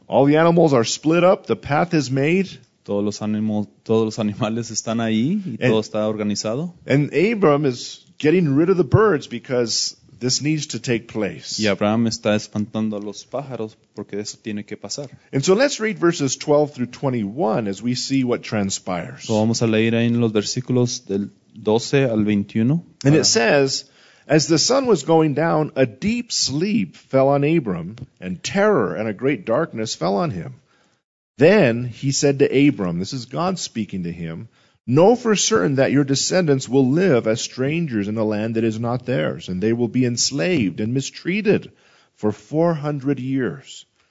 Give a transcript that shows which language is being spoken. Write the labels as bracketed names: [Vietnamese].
[English] All the animals are split up, the path is made. [Spanish] todos los animales están ahí y todo está organizado. [English] And Abram is getting rid of the birds because this needs to take place. [Spanish] Y Abraham está espantando a los pájaros porque eso tiene que pasar. [English] And so let's read verses 12 through 21 as we see what transpires. [Spanish] So vamos a leer ahí en los versículos del 12 al 21. [English] And it says, as the sun was going down, a deep sleep fell on Abram, and terror and a great darkness fell on him. Then he said to Abram, this is God speaking to him, know for certain that your descendants will live as strangers in a land that is not theirs, and they will be enslaved and mistreated for 400 years.